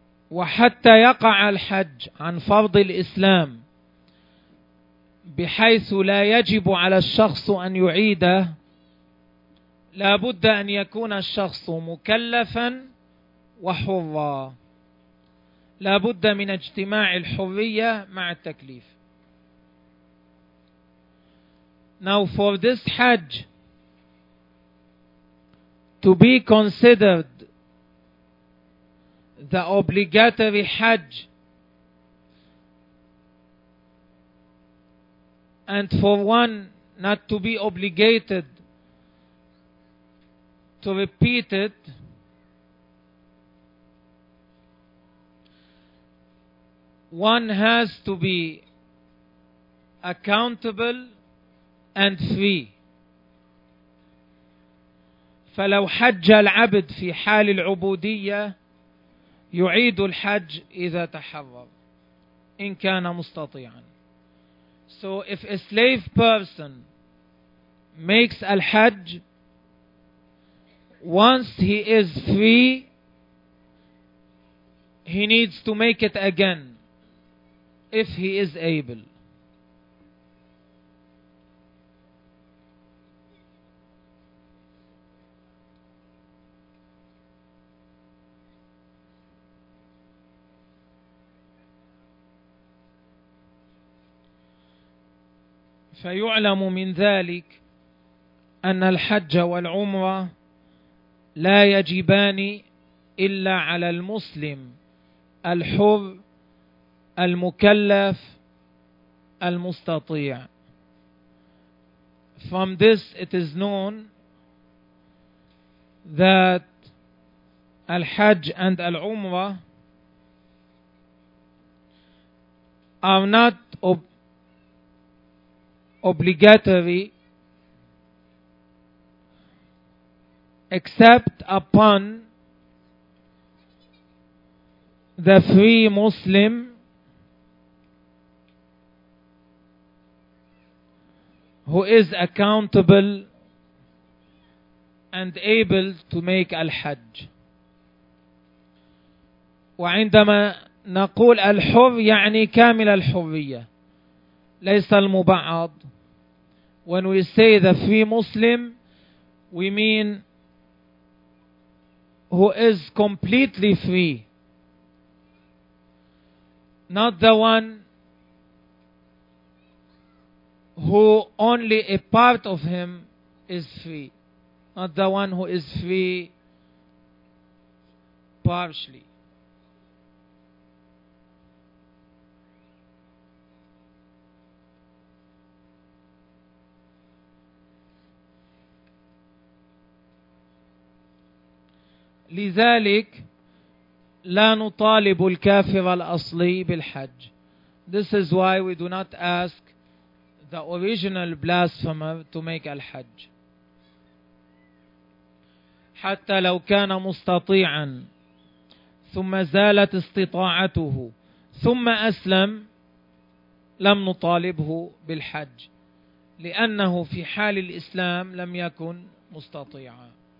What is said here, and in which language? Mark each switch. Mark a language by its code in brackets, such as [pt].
[ar] وحتى يقع الحج عن فرض الإسلام بحيث لا يجب على الشخص أن يعيده، لا بد أن يكون الشخص مكلفا وحرا، لا بد من اجتماع الحرية مع التكليف. [en] Now for this Hajj to be considered the obligatory Hajj, and for one not to be obligated to repeat it, one has to be accountable and free. [ar] فلو حج العبد في حال العبودية يعيد الحج إذا تحرر إن كان مستطيعا. [en] So if a slave person makes al-hajj once he is free, he needs to make it again if he is able. [ar] فيعلم من ذلك أن الحج والعمرة لا يجبان إلا على المسلم الحر المكلف المستطيع. [en] From this it is known that الحج and العمرة are not obligatory except upon the free Muslim who is accountable and able to make al-hajj. [ar] وعندما نقول الحر يعني كامل الحرية ليس المبعض. [en] When we say the free Muslim, we mean who is completely free, not the one who only a part of him is free, not the one who is free partially. [ar] لذلك لا نطالب الكافر الأصلي بالحج. [en] This is why we do not ask the original blasphemer to make الحج. [ar] حتى لو كان مستطيعا ثم زالت استطاعته ثم أسلم لم نطالبه بالحج، لأنه في حال الإسلام لم يكن مستطيعا.